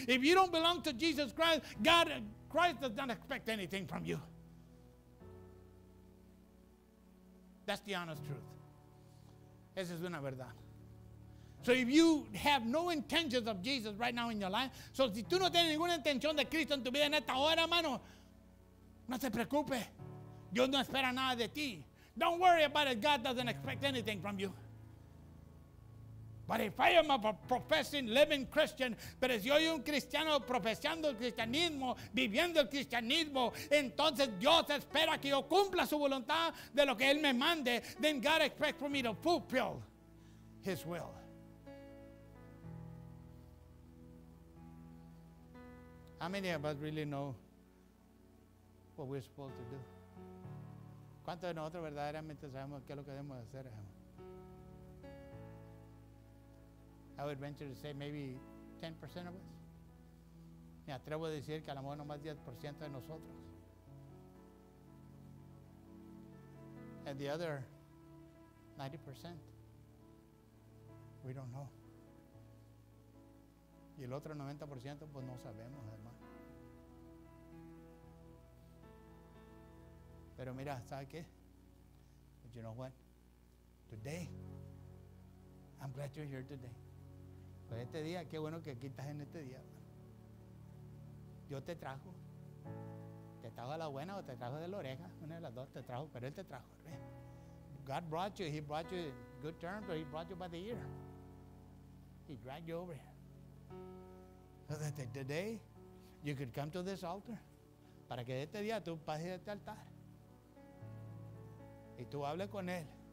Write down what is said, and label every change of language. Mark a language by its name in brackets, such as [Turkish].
[English] If you don't belong to Jesus Christ, Christ does not expect anything from you. That's the honest truth. [Spanish] Esa es una verdad. [English] So if you have no intentions of Jesus right now in your life, [Spanish] so si tú no tienes ninguna intención de Cristo en tu vida en esta hora, hermano, no se preocupe. Dios no espera nada de ti. [English] Don't worry about it. God doesn't expect anything from you. But if I am a professing living Christian, [Spanish] pero si soy un cristiano profesando el cristianismo, viviendo el cristianismo, entonces Dios espera que yo cumpla su voluntad de lo que Él me mande. [English] Then God expects for me to fulfill His will. How many of us really know what we're supposed to do? [Spanish] ¿Cuántos de nosotros verdaderamente sabemos qué es lo que debemos hacer? [English] I would venture to say maybe 10% of us. [Spanish] Me atrevo a decir que a lo mejor no más 10% de nosotros. [English] And the other 90%, we don't know. [Spanish] Y el otro 90%, pues no sabemos, hermano. Pero mira, ¿sabe qué? [English] But you know what? Today, I'm glad you're here today. [Spanish] Pues este día, qué bueno que aquí estás en este día. Dios te trajo. Te trajo a la buena o te trajo de la oreja. Una de las dos te trajo, pero Él te trajo. [English] God brought you. He brought you in good terms, but He brought you by the ear. He dragged you over here. So that today, you could come to this altar. [Spanish] Para que este día tú pases a este altar. Y tú hablas con él.